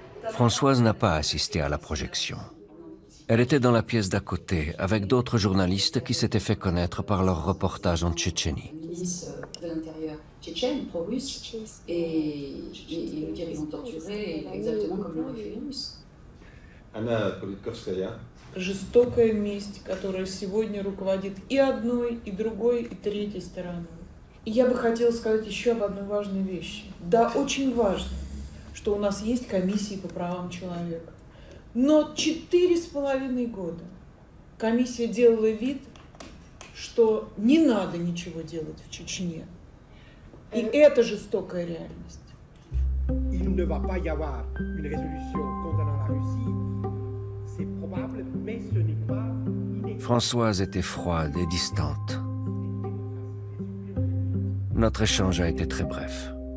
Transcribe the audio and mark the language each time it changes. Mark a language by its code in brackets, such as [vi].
[fr] Françoise n'a pas assisté à la projection. Elle était dans la pièce d'à côté, avec d'autres journalistes qui s'étaient fait connaître par leur reportage en Tchétchénie. De l'intérieur tchétchène, pro-russe, et ils ont torturé exactement comme l'aurait fait les Russes. Anna Politkovskaya. [ru] Жестокая месть, которая сегодня руководит и одной, и другой, и третьей стороной. И я бы хотела сказать еще об одной важной вещи. Да, очень важно, что у нас есть комиссии по правам человека. Но 4,5 года комиссия делала вид, что не надо ничего делать в Чечне. И это жестокая реальность. [fr] Il ne va pas y avoir une résolution condamnant la Russie. C'est probable, mais ce n'est pas... Françoise était froide et distante. Notre échange a été très bref.